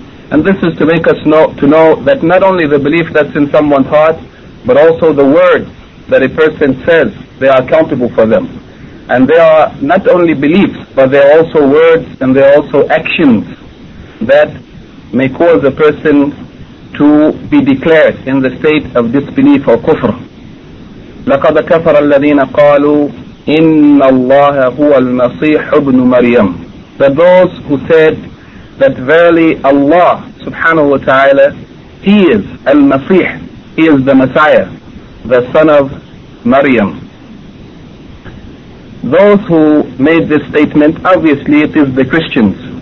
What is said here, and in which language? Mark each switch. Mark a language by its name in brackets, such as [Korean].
[English] And this is to make us know that not only the belief that's in someone's heart, but also the words that a person says, they are accountable for them. And they are not only beliefs, but they are also words and they are also actions that may cause a person to be declared in the state of disbelief or kufr. [Arabic] لقد كفر الذين قالوا إن الله هو المسيح ابن مريم. [English] That those who said that verily Allah subhanahu wa ta'ala, He is al-Masih, He is the Messiah, the son of Maryam. Those who made this statement, obviously it is the Christians.